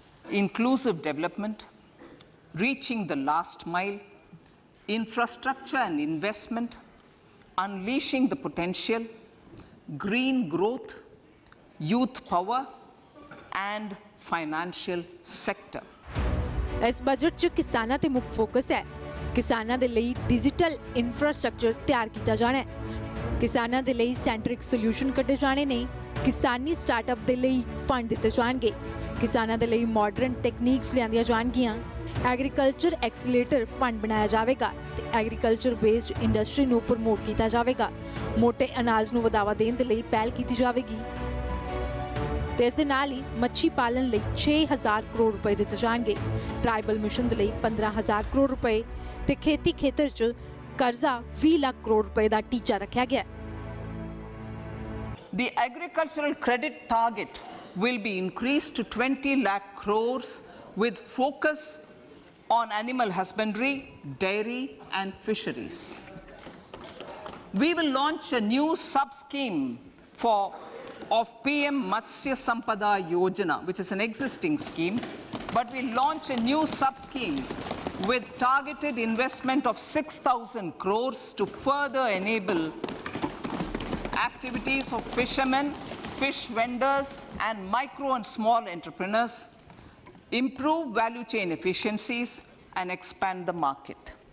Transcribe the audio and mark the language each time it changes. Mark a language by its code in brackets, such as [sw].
[en] Inclusive development, reaching the last mile, infrastructure and investment, unleashing the potential, green growth, youth power, and financial sector. [pa] ਇਸ budget ਚ ਕਿਸਾਨਾਂ ਤੇ ਮੁੱਖ focus ਹੈ ਕਿਸਾਨਾਂ ਦੇ ਲਈ ਡਿਜੀਟਲ ਇਨਫਰਾਸਟ੍ਰਕਚਰ ਤਿਆਰ ਕੀਤਾ ਜਾਣਾ ਹੈ ਕਿਸਾਨਾਂ ਦੇ ਲਈ ਸੈਂਟ੍ਰਿਕ ਸੋਲੂਸ਼ਨ ਕੱਢੇ ਜਾਣੇ ਨੇ ਕਿਸਾਨੀ ਸਟਾਰਟਅਪ ਦੇ ਲਈ ਫੰਡ ਦਿੱਤੇ ਜਾਣਗੇ ਕਿਸਾਨਾਂ ਦੇ ਲਈ ਮਾਡਰਨ ਟੈਕਨੀਕਸ ਲਿਆਂਦੀਆਂ ਜਾਣਗੀਆਂ ਐਗਰੀਕਲਚਰ ਐਕਸੀਲੇਟਰ ਫੰਡ ਬਣਾਇਆ ਜਾਵੇਗਾ ਤੇ ਐਗਰੀਕਲਚਰ ਬੇਸਡ ਇੰਡਸਟਰੀ ਨੂੰ ਪ੍ਰਮੋਟ ਕੀਤਾ ਜਾਵੇਗਾ ਮੋਟੇ ਅਨਾਜ ਨੂੰ ਵਧਾਵਾ ਦੇਣ ਦੇ ਲਈ ਪਹਿਲ ਕੀਤੀ ਜਾਵੇਗੀ ਇਸ ਦੇ ਨਾਲ ਹੀ ਮੱਛੀ ਪਾਲਣ ਲਈ 6,000 ਕਰੋੜ ਰੁਪਏ ਦਿੱਤੇ ਜਾਣਗੇ ਟ੍ਰਾਈਬਲ ਮਿਸ਼ਨ ਦੇ ਲਈ 15,000 ਕਰੋੜ ਰੁਪਏ ਤੇ ਖੇਤੀ ਖੇਤਰ 'ਚ ਕਰਜ਼ਾ 20 ਲੱਖ ਕਰੋੜ ਰੁਪਏ ਦਾ ਟੀਚਾ ਰੱਖਿਆ ਗਿਆ। [en] The agricultural credit target will be increased to 20 lakh crores with focus on animal husbandry, dairy and fisheries. We will launch a new sub-scheme of PM Matsya Sampada Yojana, which is an existing scheme, but we launch a new sub-scheme with targeted investment of 6,000 crores to further enable activities of fishermen, fish vendors and micro and small entrepreneurs, improve value chain efficiencies and expand the market.